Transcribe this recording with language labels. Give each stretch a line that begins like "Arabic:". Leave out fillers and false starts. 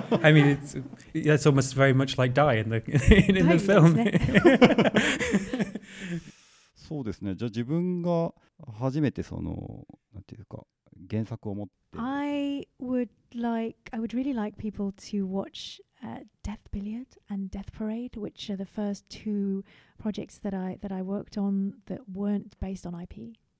English: I mean, it's almost very much like Die in the film.
Japanese: そうですね。じゃあ自分が初めてそのなんていうか原作を持って。
English: I would really like people to watch Death Billiard and Death Parade, which are the first two projects that I worked on that weren't based on IP.